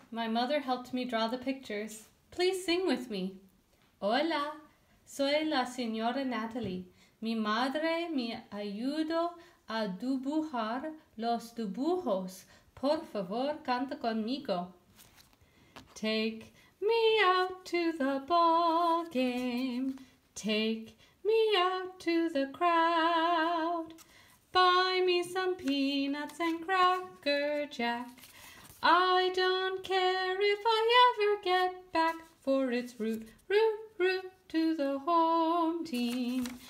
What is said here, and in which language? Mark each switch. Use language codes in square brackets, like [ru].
[en] My mother helped me draw the pictures. Please sing with me. [es] Hola, soy la señora Natalie. Mi madre me ayudó a dibujar los dibujos. Por favor, canta conmigo. [en] Take me out to the ball game. Take me out to the crowd. Buy me some peanuts and Cracker Jack. I don't care if I ever get back, for it's root, root, root to the home team.